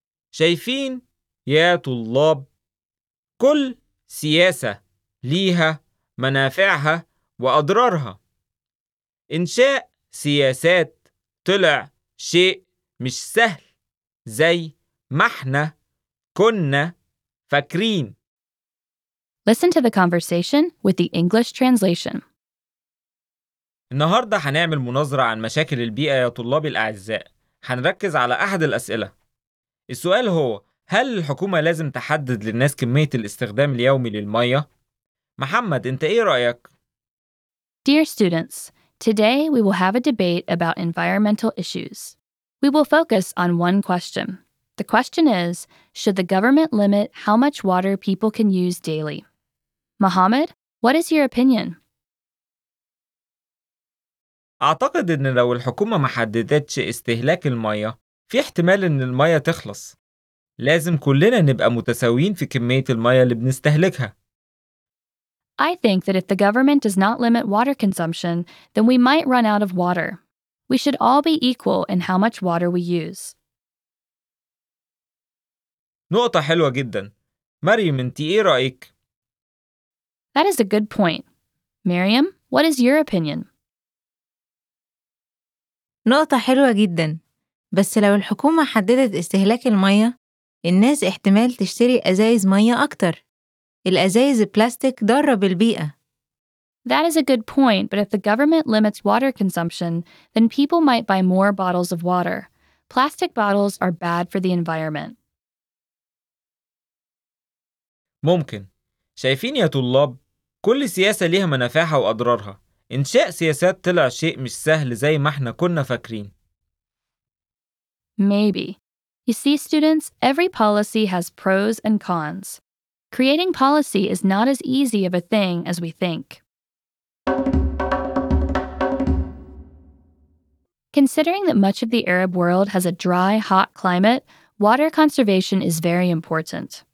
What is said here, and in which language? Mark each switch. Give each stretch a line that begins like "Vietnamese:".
Arabic: شايفين يا طلاب، كل سياسة ليها منافعها وأضرارها. إنشاء سياسات طلع شيء مش سهل زي ما احنا كنا فاكرين.
English: Listen to the conversation with the English translation.
Arabic: النهاردة هنعمل مناظرة عن مشاكل البيئة يا طلابي الأعزاء. هنركز على أحد الأسئلة. السؤال هو: هل الحكومة لازم تحدد للناس كمية الاستخدام اليومي للمية؟ محمد، أنت إيه رأيك؟
English: Dear students, today we will have a debate about environmental issues. We will focus on one question. The question is, should the government limit how much water people can use daily? Mohammed, what is your opinion?
Arabic: أعتقد إن لو الحكومة ما حددتش استهلاك المية، في احتمال إن المية تخلص. لازم كلنا نبقى متساويين في كمية المية اللي بنستهلكها.
English: I think that if the government does not limit water consumption, then we might run out of water. We should all be equal in how much water we use.
Arabic: نقطة حلوة جدا. مريم، انت ايه رأيك؟
English: That is a good point. Miriam, what is your opinion?
Arabic: نقطة حلوة جدا. بس لو الحكومة حددت استهلاك المية، الناس احتمال تشتري أزايز مية أكتر. الأزايز البلاستيك ضارة بالبيئة.
English: That is a good point, but if the government limits water consumption, then people might buy more bottles of water. Plastic bottles are bad for the environment.
Arabic: ممكن. شايفين يا طلاب، كل سياسة ليها منافعها وأضرارها. إنشاء سياسات طلع شيء مش سهل زي ما إحنا كنا فاكرين.
English: Maybe. You see, students, every policy has pros and cons. Creating policy is not as easy of a thing as we think. Considering that much of the Arab world has a dry, hot climate, water conservation is very important.